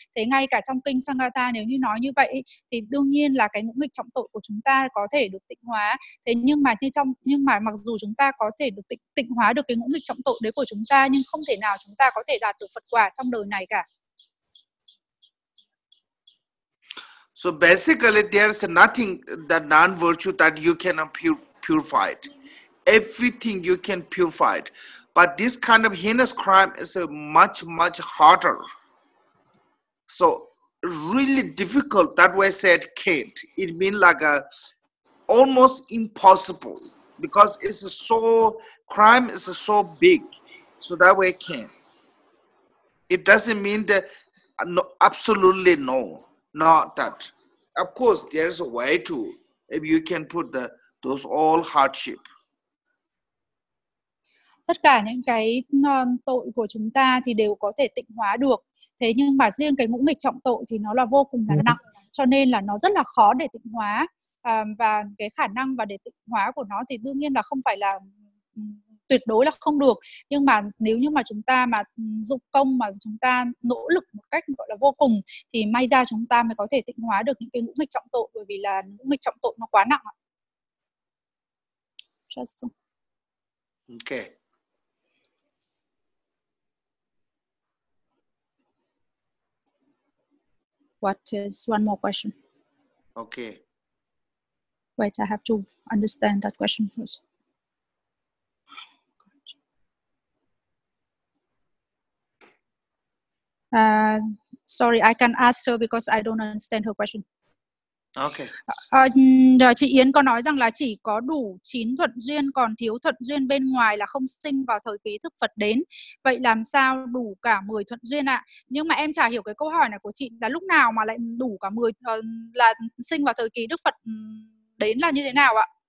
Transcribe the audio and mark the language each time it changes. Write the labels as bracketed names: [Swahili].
[Vietnamese] Thế ngay cả trong kinh Sangata nếu như nói như vậy thì đương nhiên là cái ngũ nghịch trọng tội của chúng ta có thể được tịnh hóa. Thế nhưng mà mặc dù chúng ta có thể được tịnh hóa được cái ngũ nghịch trọng tội đấy của chúng ta, nhưng không thể nào chúng ta có thể đạt được Phật quả trong đời này cả. [English] So basically, there's nothing that non-virtue that you cannot purify. Everything you can purify. But this kind of heinous crime is much, much harder. So really difficult. That way I said can't. It means like almost impossible. Because crime is so big. So that way can't. It doesn't mean that absolutely no. Not that. Of course, there's a way to, if you can put the, those all hardship. [Vietnamese] Tất cả những cái tội của chúng ta thì đều có thể tịnh hóa được. Thế nhưng mà riêng cái ngũ nghịch trọng tội thì nó là vô cùng là nặng. Cho nên là nó rất là khó để tịnh hóa. Và cái khả năng và để tịnh hóa của nó thì đương nhiên là không phải là tuyệt đối là không được. Nhưng mà nếu như mà chúng ta mà dụng công mà chúng ta nỗ lực một cách gọi là vô cùng thì may ra chúng ta mới có thể tịnh hóa được những cái ngũ nghịch trọng tội, bởi vì là ngũ nghịch trọng tội nó quá nặng. [English] Ok. What is one more question? Okay. Wait, I have to understand that question first. Sorry, I can ask her because I don't understand her question. Okay. [Vietnamese] Chị Yến có nói rằng là chỉ có đủ 9 thuận duyên, còn thiếu thuận duyên bên ngoài là không sinh vào thời kỳ thức Phật đến. Vậy làm sao đủ cả 10 thuận duyên ạ? Nhưng mà em chả hiểu cái câu hỏi này của chị là lúc nào mà lại đủ cả 10 là sinh vào thời kỳ Đức Phật đến là như thế nào ạ?